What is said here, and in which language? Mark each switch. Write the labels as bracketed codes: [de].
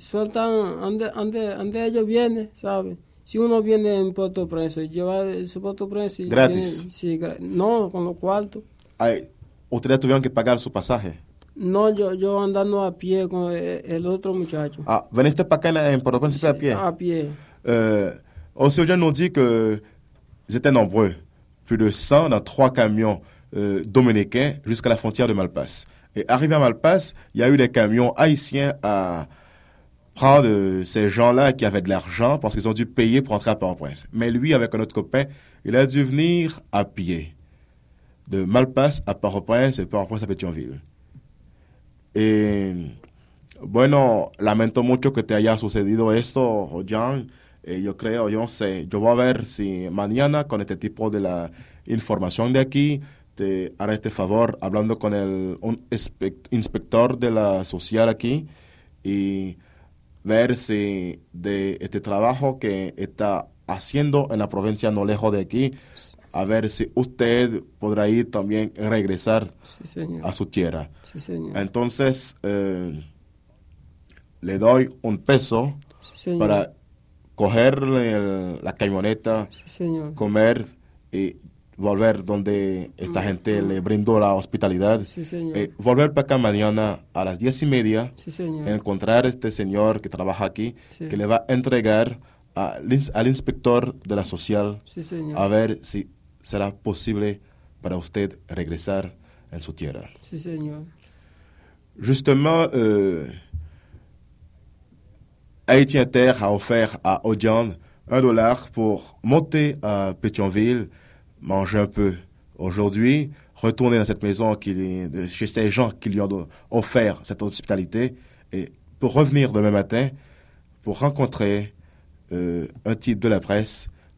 [es] Sueltan donde ellos vienen, ¿sabes? Si uno viene en Puerto Preso y lleva su Puerto Preso... ¿Gratis? Viene, sí, no, con los cuartos. ¿Ustedes tuvieron que pagar su pasaje? No, yo andando a pie con el otro muchacho. Ah, ¿veniste para acá en Puerto Príncipe a pie? A pie. [fr] Ancien Dieu nous dit qu'ils étaient nombreux, plus de 100 dans trois camions dominicains jusqu'à la frontière de Malpass. Et arrivé à Malpass, il y a eu des camions haïtiens à prendre ces gens-là qui avaient de l'argent parce qu'ils ont dû payer pour entrer à Port-au-Prince. Mais lui, avec un autre copain, il a dû venir à pied de Malpass à Port-au-Prince et Port-au-Prince à Pétionville. [es] Et, bueno, lamento mucho que te haya sucedido esto, Jean. Et yo creo, yo sé, yo voy a ver si mañana con este tipo de la información de aquí te haré este favor hablando con el un inspector de la social aquí y ver si de este trabajo que está haciendo en la provincia no lejos de aquí, a ver si usted podrá ir también regresar sí, a su tierra. Sí, señor. Entonces, le doy un peso sí, para coger la camioneta, sí, comer y volver donde esta gente le brindó la hospitalidad. Sí, señor. Volver para acá mañana a las 10:30. Sí, señor. Encontrar a este señor que trabaja aquí, sí, que le va a entregar al inspector de la social. Sí, señor. A ver si será posible para usted regresar en su tierra. Sí, señor. [fr] Justement, Haïti Inter a offert à Odian $1 pour monter à Pétionville, manger un peu aujourd'hui, retourner dans cette maison chez ces gens qui lui ont offert cette hospitalité, et pour revenir demain matin pour rencontrer un type de la presse